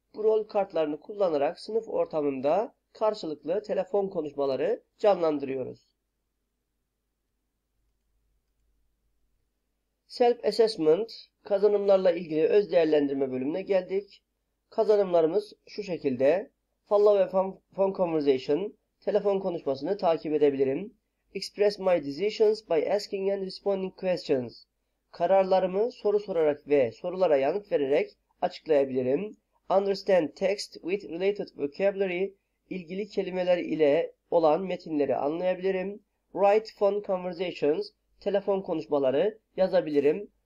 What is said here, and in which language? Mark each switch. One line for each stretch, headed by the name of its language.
Turkish: Bu rol kartlarını kullanarak sınıf ortamında karşılıklı telefon konuşmaları canlandırıyoruz. Self-assessment, kazanımlarla ilgili öz değerlendirme bölümüne geldik. Kazanımlarımız şu şekilde.
English: Follow a phone conversation,
Turkish: telefon konuşmasını takip edebilirim.
English: Express my decisions by asking and responding questions.
Turkish: Kararlarımı soru sorarak ve sorulara yanıt vererek açıklayabilirim.
English: Understand text with related vocabulary,
Turkish: ilgili kelimeler ile olan metinleri anlayabilirim.
English: Write phone conversations,
Turkish: telefon konuşmaları yazabilirim.